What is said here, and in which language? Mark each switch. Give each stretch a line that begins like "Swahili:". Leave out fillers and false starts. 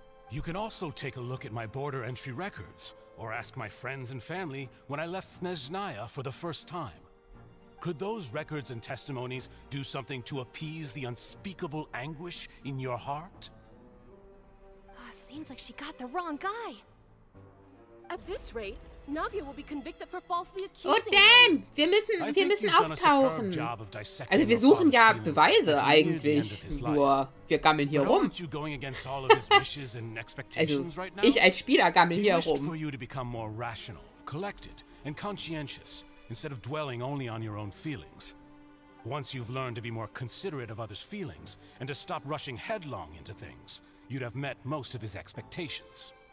English: You can also take a look at my border entry records, or ask my friends and family when I left Snezhnaya for the first time. Could those records and testimonies do something to appease the unspeakable anguish in your heart? Oh, seems like she got the wrong guy. At this rate, Navia will be convicted for falsely accusing.
German: Oh, Dan! Wir müssen auftauchen. Also wir suchen ja Beweise eigentlich, nur wir gammeln hier rum. Also ich als Spieler gammel hier rum.
English: For you to become more rational, collected and conscientious instead of dwelling only on your own feelings. Once you've learned to be more considerate of others' feelings and to stop rushing headlong into things, you'd have met most of his expectations.